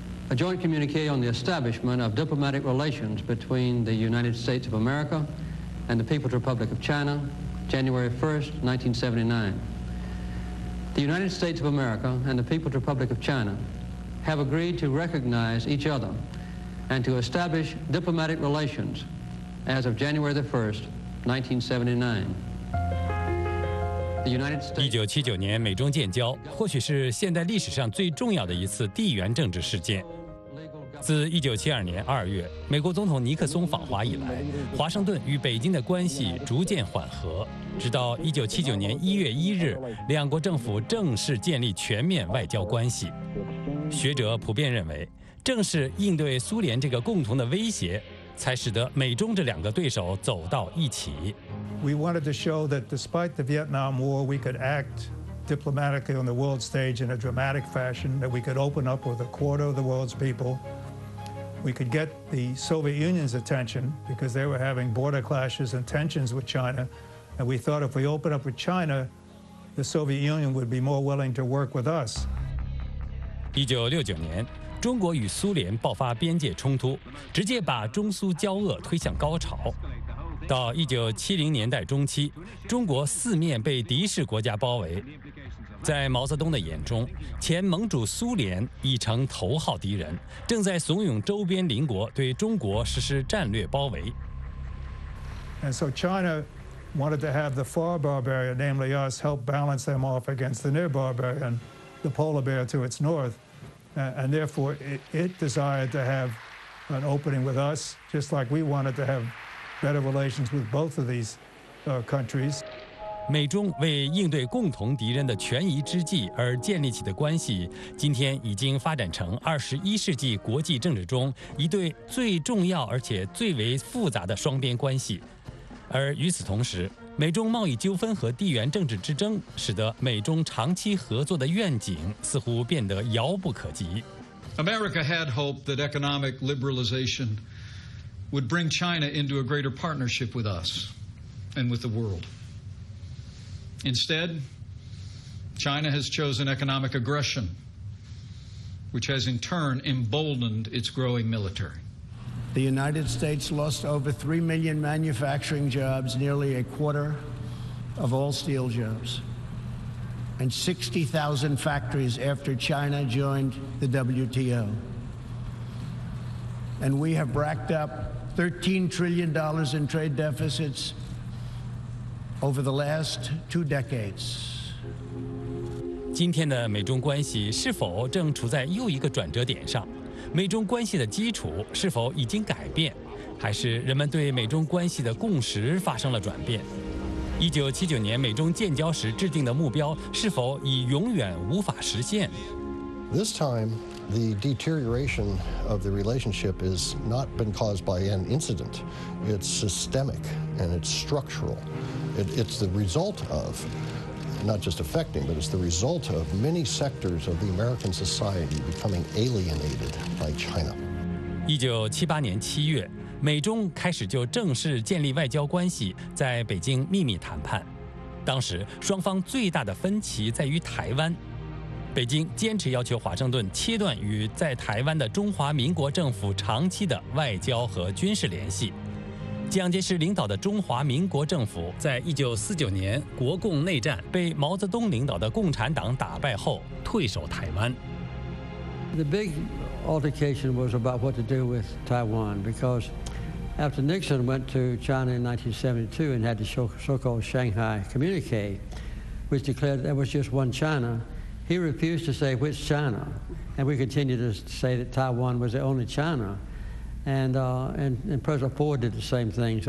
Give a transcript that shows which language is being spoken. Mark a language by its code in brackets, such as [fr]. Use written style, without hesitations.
[en] A joint communique on the establishment of diplomatic relations between the United States of America and the People's Republic of China, January 1st, 1979. The United States of America and the People's Republic of China have agreed to recognize each other and to establish diplomatic relations as of January the 1st, 1979. The United States. [zh] 1979年美中建交，或许是现代历史上最重要的一次地缘政治事件。自1972年2月美国总统尼克松访华以来，华盛顿与北京的关系逐渐缓和，直到1979年1月1日，两国政府正式建立全面外交关系。学者普遍认为，正是应对苏联这个共同的威胁，才使得美中这两个对手走到一起。 [en] We wanted to show that despite the Vietnam War, we could act diplomatically on the world stage in a dramatic fashion. That we could open up with a quarter of the world's people. We could get the Soviet Union's attention because they were having border clashes and tensions with China, and we thought if we open up with China, the Soviet Union would be more willing to work with us. [zh] 1969年，中国与苏联爆发边界冲突，直接把中苏交恶推向高潮。到1970年代中期，中国四面被敌视国家包围，在毛泽东的眼中，前盟主苏联已成头号敌人，正在怂恿周边邻国对中国实施战略包围。 [en] And so China wanted to have the far barbarian, namely us, help balance them off against the near barbarian, the polar bear to its north. And therefore, it desired to have an opening with us, just like we wanted to have better relations with both of these countries. [zh] 美中为应对共同敌人的权宜之计而建立起的关系，今天已经发展成21世纪国际政治中一对最重要而且最为复杂的双边关系。而与此同时，美中贸易纠纷和地缘政治之争使得美中长期合作的愿景似乎变得遥不可及。 [en] America had hoped that economic liberalization would bring China into a greater partnership with us and with the world. Instead, China has chosen economic aggression, which has in turn emboldened its growing military. The United States lost over 3 million manufacturing jobs, nearly a quarter of all steel jobs, and 60,000 factories after China joined the WTO. And we have racked up $13 trillion in trade deficits over the last 2 decades. [zh] 今天的美中关系是否正处在又一个转折点上？美中关系的基础是否已经改变，还是人们对美中关系的共识发生了转变？ 1979年美中建交时制定的目标是否已永远无法实现 [en] ？This time, the deterioration of the relationship is not been caused by an incident. It's systemic and it's structural. It's the result of. Not just affecting, but it's the result of many sectors of the American society becoming alienated by China. [zh] 1978年7月，美中开始就正式建立外交关系，在北京秘密谈判。当时双方最大的分歧在于台湾。北京坚持要求华盛顿切断与在台湾的中华民国政府长期的外交和军事联系。蒋介石领导的中华民国政府在1949年国共内战被毛泽东领导的共产党打败后退守台湾。 [en] The big altercation was about what to do with Taiwan, because after Nixon went to China in 1972 and had the so-called Shanghai Communique, which declared there was just one China, he refused to say which China, and we continued to say that Taiwan was the only China, and President Ford did the same thing.